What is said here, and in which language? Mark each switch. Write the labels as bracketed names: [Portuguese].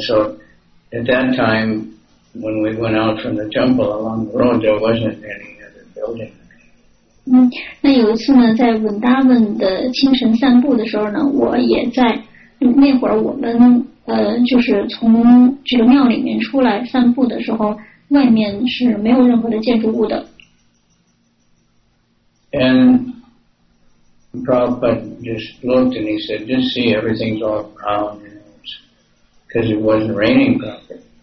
[English] So at that time, when we went out from the temple along the road, there wasn't any other building. [Chinese] 那有一次呢，在 Vrindavan 的清晨散步的时候呢，我也在那会儿我们就是从这个庙里面出来散步的时候，外面是没有任何的建筑物的。 [English] And Prabhupada just looked and he said, "Just see, everything's all brown, because it wasn't raining properly."